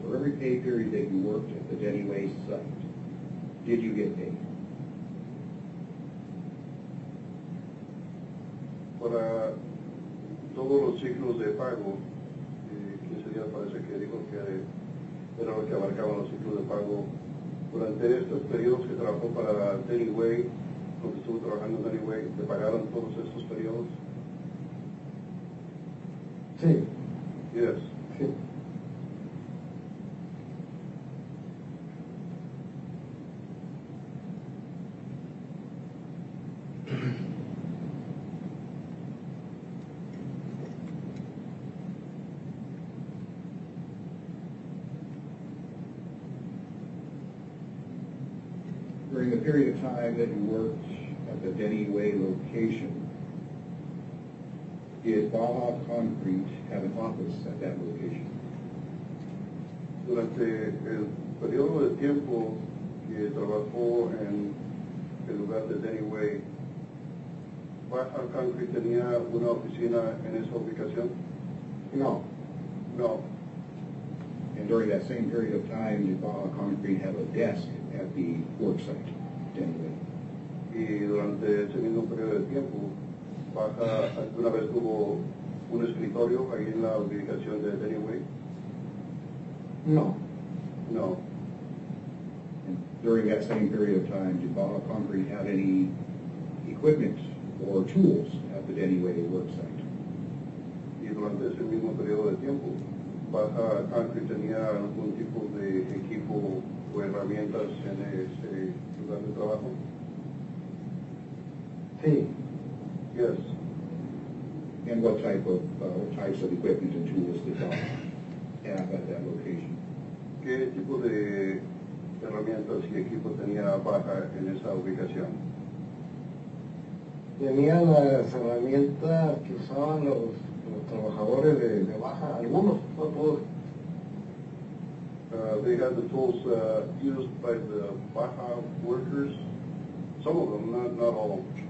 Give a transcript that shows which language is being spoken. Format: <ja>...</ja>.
<en>For every pay period that you worked at the Denny Waste site, did you get paid?</en> <es>Para todos los ciclos de pago, 15 días parece que dijo que era lo que abarcaban los ciclos de pago. Durante estos periodos que trabajó para Denny Waste, cuando estuvo trabajando en Denny Waste, ¿le pagaron todos esos periodos? Sí.</es> <en>Yes. During the period of time that he worked at the Denny Way location, did Baja Concrete have an office at that location?</en> <es>Durante el periodo de tiempo que trabajó en el lugar de Denny Way, Baja Concrete tenía una oficina en esa ubicación? No.</es> <en>No. And during that same period of time, did Baja Concrete have a desk at the work site, Denny Way?</en> <es>Y durante ese mismo periodo de tiempo, Baja alguna vez tuvo un escritorio ahí en la ubicación de Denny Way? No.</es> <en>No. And during that same period of time, did Baja Concrete have any equipment or tools at the Denny Way work site?</en> <es>Y durante ese mismo periodo de tiempo, Baja Concrete tenía algún tipo de equipo o herramientas en ese lugar de trabajo? Sí.</es> <en>Yes. And what type of types of equipment and tools did Baja have at that location?</en> <es>¿Qué tipo de herramientas y equipo tenía Baja en esa ubicación? Tenía las herramientas que usaban los trabajadores de Baja, algunos, no todos.</es> <en>They had the tools used by the Baja workers, some of them, not all.</en>